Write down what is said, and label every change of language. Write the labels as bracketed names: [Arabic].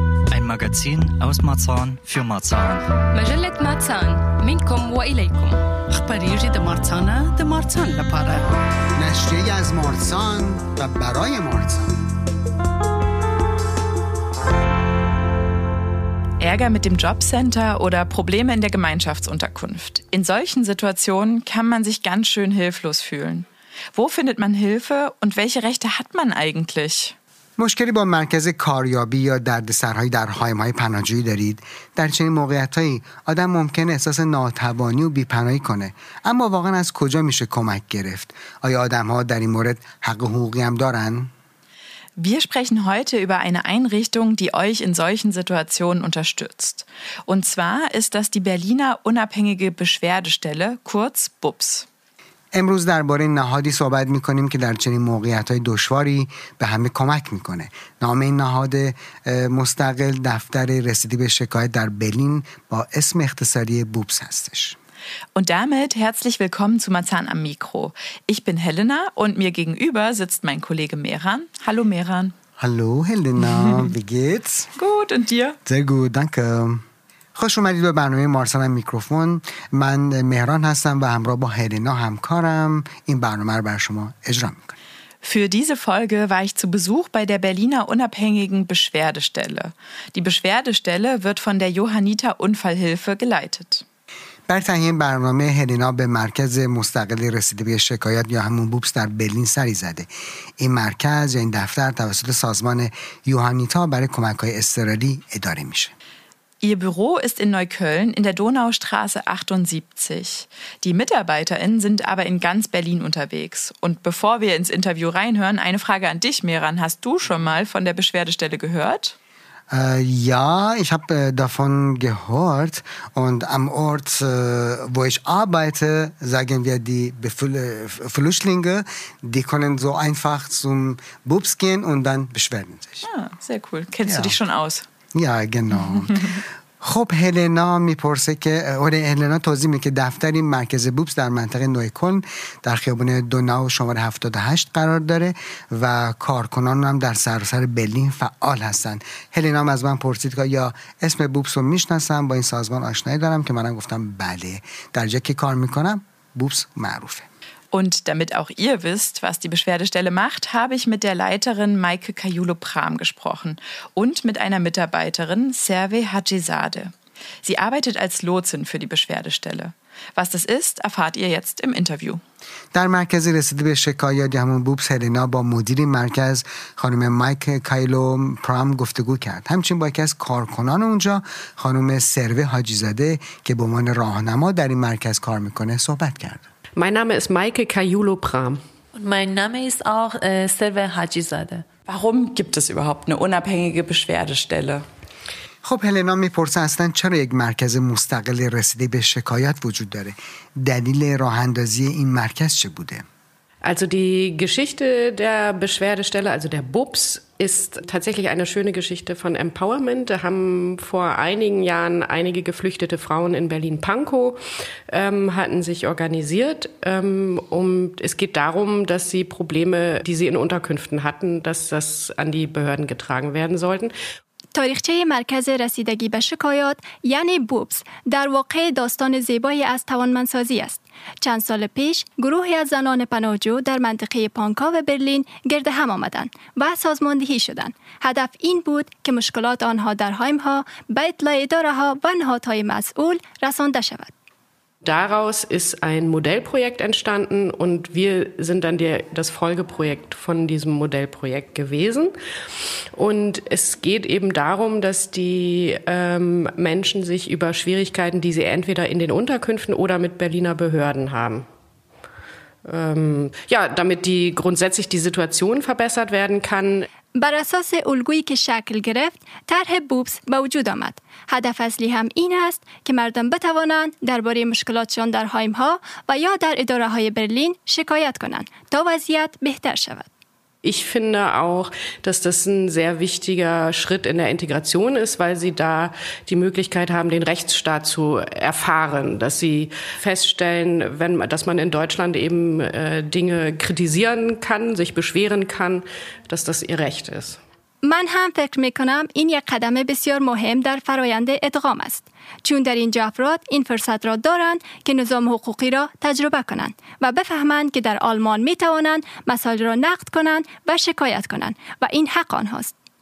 [German] Ein Magazin aus Marzahn für Marzahn. [Arabic] مجلة Marzahn. منكم وإليكم. [Pashto] أخبار de Marzahn de Marzahn لپاره. [Persian] نشریه از Marzahn و برای Marzahn. [German] Ärger mit dem Jobcenter oder Probleme in der Gemeinschaftsunterkunft. In solchen Situationen kann man sich ganz schön hilflos fühlen. Wo findet man Hilfe und welche Rechte hat man eigentlich? [Persian] مشکلی با مرکز کاریابی یا دردسرهای در هایمای پناهجویی دارید؟ در چنین موقعیتهایی آدم ممکن احساس ناتوانی و بیپناهی کنه. اما واقعا از کجا میشه کمک گرفت؟ آیا آدمها در این مورد حق حقوقی هم دارن؟ [German] Wir sprechen heute über eine Einrichtung, die euch in solchen Situationen unterstützt. Und zwar ist das die Berliner Unabhängige Beschwerdestelle, kurz BUBS. [Persian] امروز درباره نهادی صحبت می‌کنیم که در چنین موقعیت‌های دشواری به همه کمک می‌کنه. نام این نهاد مستقل دفتر رسیدگی به شکایت در برلین با اسم اختصاری BUBS هستش. [German] Und damit herzlich willkommen zu Marzahn am Mikro. Ich bin Helena und mir gegenüber sitzt mein Kollege Mehran. Hallo Mehran. Hallo Helena, wie geht's? Gut, und dir? Sehr gut, danke. [Persian] خوش اومدید به برنامه مارسان میکروفون. من مهران هستم و همراه با هلینا همکارم این برنامه رو بر شما اجرا میکنم. [German] Für diese Folge war ich zu Besuch bei der Berliner Unabhängigen Beschwerdestelle. Die Beschwerdestelle wird von der Johanniter Unfallhilfe geleitet. [Persian] برای تهیه برنامه هلینا به مرکز مستقل رسیدگی به شکایت یا همون BUBS در برلین سری زده. این مرکز یا این دفتر توسط سازمان یوهانیتا برای کمک‌های اضطراری اداره میشه. [German] Ihr Büro ist in Neukölln in der Donaustraße 78. Die MitarbeiterInnen sind aber in ganz Berlin unterwegs. Und bevor wir ins Interview reinhören, eine Frage an dich, Mehran. Hast du schon mal von der Beschwerdestelle gehört? Ja, ich habe davon gehört. Und am Ort, wo ich arbeite, sagen wir, die Flüchtlinge, die können so einfach zum BUBS gehen und dann beschweren sich. Ah, sehr cool. Kennst du dich schon aus? Ja, genau. [Persian] خب هلینا میپرسه که هلینا توضیح میده که دفتر این مرکز BUBS در منطقه نویکلن در خیابان دوناو شماره 78 قرار داره و کارکنان هم در سراسر برلین فعال هستن. هلینا از من پرسید که یا اسم BUBS رو میشناسم، با این سازمان آشنایی دارم، که منم گفتم بله، در جایی که کار میکنم BUBS معروفه. [German] Und damit auch ihr wisst, was die Beschwerdestelle macht, habe ich mit der Leiterin Maike Kajulo-Pram gesprochen und mit einer Mitarbeiterin Serve Hajizade. Sie arbeitet als Lotsin für die Beschwerdestelle. Was das ist, erfahrt ihr jetzt im Interview. [Persian] در مرکز رسیدگی به شکایات یا همون BUBS هلینا با مدیر مرکز خانم مایک کایلو پرام گفتگو کرد. همچنین با یکی از کارکنان اونجا خانم سروه حاجی‌زاده که به عنوان راهنما در این مرکز کار میکنه صحبت کرد. [German] Mein Name ist Maike Kajulo-Pram. Und mein Name ist auch Serve Hajizade. Warum gibt es überhaupt eine unabhängige Beschwerdestelle? [Persian] خب هلینا میپرسه اصلا چرا یک مرکز مستقل رسیده به شکایت وجود داره؟ دلیل راه اندازی این مرکز چه بوده؟ [German] Also die Geschichte der Beschwerdestelle, also der BUBS, ist tatsächlich eine schöne Geschichte von Empowerment. Da haben vor einigen Jahren einige geflüchtete Frauen in Berlin-Pankow hatten sich organisiert. Und es geht darum, dass sie Probleme, die sie in Unterkünften hatten, dass das an die Behörden getragen werden sollten. [Persian] تاریخچه مرکز رسیدگی به شکایات یعنی BUBS در واقع داستان زیبایی از توانمندسازی است. چند سال پیش گروهی از زنان پناهجو در منطقه پانکاو برلین گرد هم آمدند و سازماندهی شدند. هدف این بود که مشکلات آنها در هایم‌ها به اطلاع اداره‌ها و نهادهای مسئول رسانده شود. [German] Daraus ist ein Modellprojekt entstanden und wir sind dann das Folgeprojekt von diesem Modellprojekt gewesen. Und es geht eben darum, dass die Menschen sich über Schwierigkeiten, die sie entweder in den Unterkünften oder mit Berliner Behörden haben, damit die grundsätzlich die Situation verbessert werden kann. [Persian] بر اساس الگویی که شکل گرفت، طرح BUBS به وجود آمد. هدف اصلی هم این است که مردم بتوانند درباره مشکلاتشان در هایم ها و یا در اداره های برلین شکایت کنند تا وضعیت بهتر شود. [German] Ich finde auch, dass das ein sehr wichtiger Schritt in der Integration ist, weil sie da die Möglichkeit haben, den Rechtsstaat zu erfahren, dass sie feststellen, dass man in Deutschland eben Dinge kritisieren kann, sich beschweren kann, dass das ihr Recht ist. [Persian] من هم فکر میکنم این یک قدم بسیار مهم در فرایند ادغام است. چون در اینجا افراد این فرصت را دارند که نظام حقوقی را تجربه کنند و بفهمند که در آلمان میتوانند مسائل را نقد کنند و شکایت کنند و این حق آنهاست.